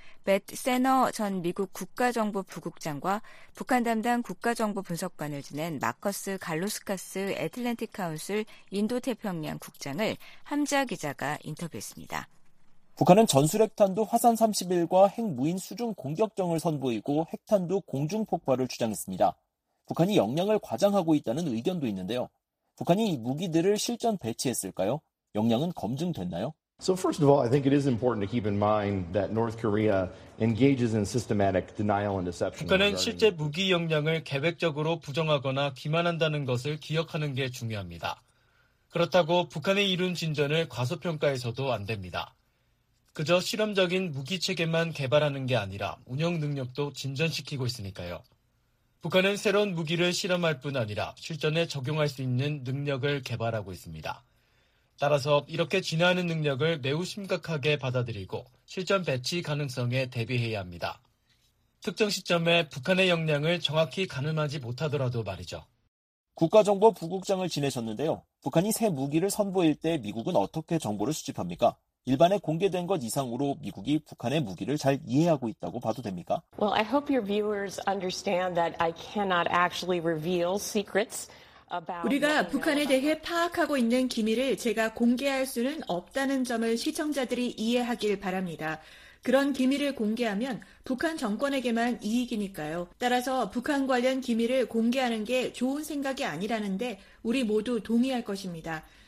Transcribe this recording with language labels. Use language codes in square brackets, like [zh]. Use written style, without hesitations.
[ko] 벳 세너 전 미국 국가정보 부국장과 북한 담당 국가정보 분석관을 지낸 마커스 갈로스카스 애틀랜틱 카운슬 인도태평양 국장을 함자 기자가 인터뷰했습니다. 북한은 전술핵탄두 화산 31과 핵무인 수중 공격정을 선보이고 핵탄두 공중폭발을 주장했습니다. 북한이 역량을 과장하고 있다는 의견도 있는데요. 북한이 무기들을 실전 배치했을까요? 역량은 검증됐나요? [en] So first of all, I think it is important to keep in mind that North Korea engages in systematic denial and deception. [ko] 북한은 실제 무기 역량을 계획적으로 부정하거나 기만한다는 것을 기억하는 게 중요합니다. 그렇다고 북한의 이룬 진전을 과소평가해서도 안 됩니다. 그저 실험적인 무기 체계만 개발하는 게 아니라 운영 능력도 진전시키고 있으니까요. 북한은 새로운 무기를 실험할 뿐 아니라 실전에 적용할 수 있는 능력을 개발하고 있습니다. 따라서 이렇게 진화하는 능력을 매우 심각하게 받아들이고 실전 배치 가능성에 대비해야 합니다. 특정 시점에 북한의 역량을 정확히 가늠하지 못하더라도 말이죠. 국가정보 부국장을 지내셨는데요. 북한이 새 무기를 선보일 때 미국은 어떻게 정보를 수집합니까? 일반에 공개된 것 이상으로 미국이 북한의 무기를 잘 이해하고 있다고 봐도 됩니까? [en] Well, I hope your viewers understand that I cannot actually reveal secrets. [ko] 우리가 북한에 대해 파악하고 있는 기밀을 제가 공개할 수는 없다는 점을 시청자들이 이해하길 바랍니다. 그런 기밀을 공개하면 북한 정권에게만 이익이니까요. 따라서 북한 관련 기밀을 공개하는 게 좋은 생각이 아니라는데 우리 모두 동의할 것입니다.